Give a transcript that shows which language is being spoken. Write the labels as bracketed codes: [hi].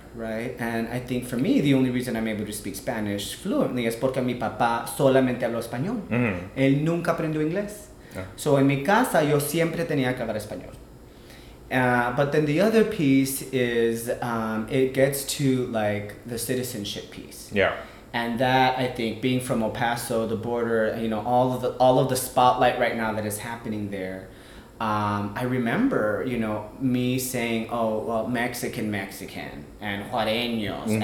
[en] Right, and I think for me, the only reason I'm able to speak Spanish fluently is [es] porque mi papá solamente habló español. Mm-hmm. Él nunca aprendió inglés. [en] Yeah. [es] So en mi casa, yo siempre tenía que hablar español. [en] But then the other piece is, it gets to like the citizenship piece. Yeah. And that, I think, being from El Paso, the border, you know, all of the spotlight right now that is happening there. I remember, you know, me saying, oh, well, Mexican, and Juareños, mm-hmm.